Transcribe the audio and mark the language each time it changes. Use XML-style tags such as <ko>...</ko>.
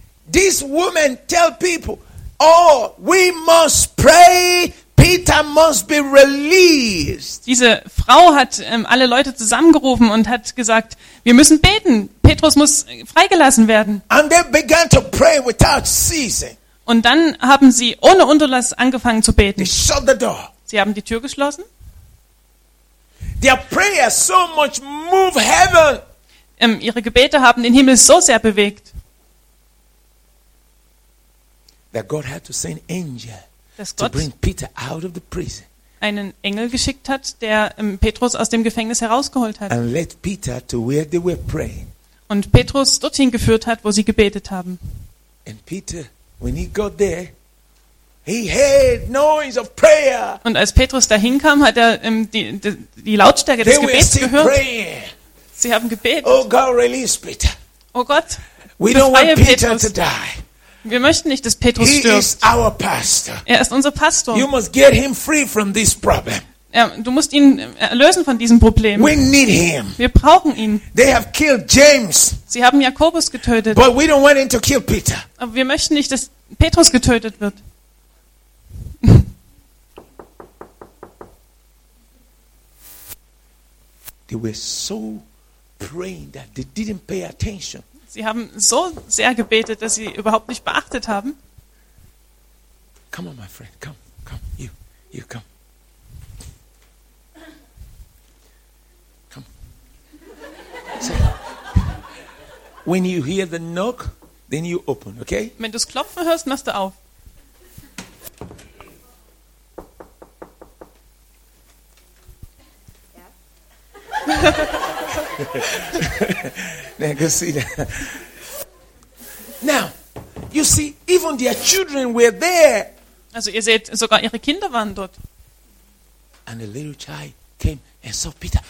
<en>This woman tell people, oh, we must pray, Peter must be released.</en> <de>Diese Frau hat alle Leute zusammengerufen und hat gesagt, wir müssen beten, Petrus muss freigelassen werden.</de> <en>And they began to pray without ceasing.</en> <de>Und dann haben sie ohne Unterlass angefangen zu beten.</de> <en>They shut the door.</en> <de>Sie haben die Tür geschlossen.</de> <en>Their prayer so much moved heaven.</en> <de>Ihre Gebete haben den Himmel so sehr bewegt.</de> <en>That God had to send angel to bring Peter out of the prison.</en> <de>Einen Engel geschickt hat, der Petrus aus dem Gefängnis herausgeholt hat.</de> <en>And led Peter to where they were praying.</en> <de>Und Petrus dorthin geführt hat, wo sie gebetet haben.</de> <en>And Peter, when he got there, he heard noise of prayer.</en> <de>Und als Petrus dahin kam, hat die Lautstärke des Gebets gehört. Sie haben gebetet.</de> <en>Oh God, release Peter.</en> <de>Oh Gott,</de> <en>we don't want Peter to die.</en> <de>Wir möchten nicht, dass Petrus stirbt.</de> <en>He is our pastor.</en> <de>Er ist unser Pastor.</de> <en>You must get him free from this problem.</en> <de>Ja, du musst ihn erlösen von diesem Problem.</de> <en>We need him.</en> <de>Wir brauchen ihn.</de> <en>They have killed James.</en> <de>Sie haben Jakobus getötet.</de> <en>But we don't want him to kill Peter.</en> <de>Aber wir möchten nicht, dass Petrus getötet wird.</de> <en>They were so praying that they didn't pay attention.</en> <de>Sie haben so sehr gebetet, dass sie überhaupt nicht beachtet haben.</de> <en>Come on, my friend, come, come, you, you come. Come. So, when you hear the knock, then you open, okay?</en> <de>Wenn du das Klopfen hörst, machst du auf.</de> <en>Now, you see, even their children were there.</en> <de>Also ihr seht, sogar ihre Kinder waren dort.</de> <en>And a little child came and saw Peter.</en>